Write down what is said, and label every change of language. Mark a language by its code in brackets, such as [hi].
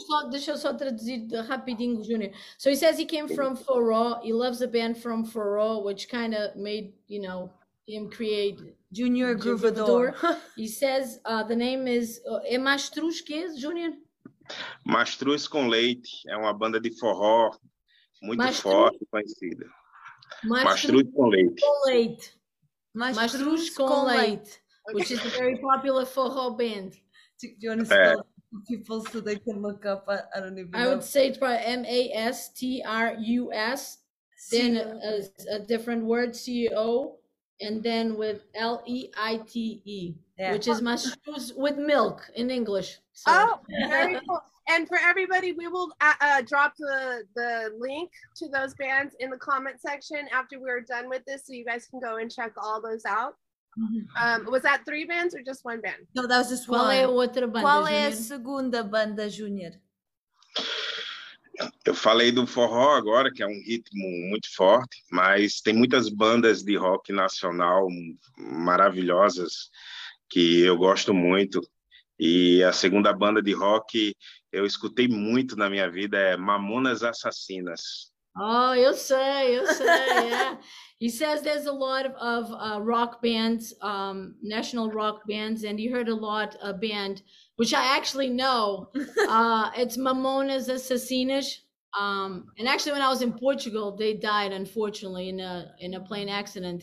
[pt] Deixa eu só traduzir rapidinho, Junior. [en] So he says he came from forró, he loves a band from forró, which kind of made, you know, him create Junior Groovador. He says the name is [pt] é Mastruz que é, [en] Junior? [pt] Mastruz com Leite, é uma banda de forró muito forte, conhecida. Mastruz com Leite. [en] Mastruz com Leite, which is a very popular forró band. Do you want to spell it? People so they can look up. I don't even know. I would say it's probably Mastruz, then a different word, CEO, and then with Leite, yeah. Which is Mastruz with milk in English. So. Oh, very cool. And for everybody, we will drop the link to those bands in the comment section after we're done with this, so you guys can go and check all those out. Was that three bands or just one band? No, that was just [pt] qual [en] one. [pt] É outra banda, qual Junior? É a segunda banda, Junior? Eu falei do forró agora, que é um ritmo muito forte, mas tem muitas bandas de rock nacional maravilhosas que eu gosto muito. E a segunda banda de rock eu escutei muito na minha vida é Mamonas Assassinas. Oh, eu sei, eu sei. Yeah. [en] He says there's a lot of rock bands, national rock bands, and he heard a lot of band, which I actually know. It's Mamonas Assassinas. And actually, when I was in Portugal, they died, unfortunately, in a plane accident.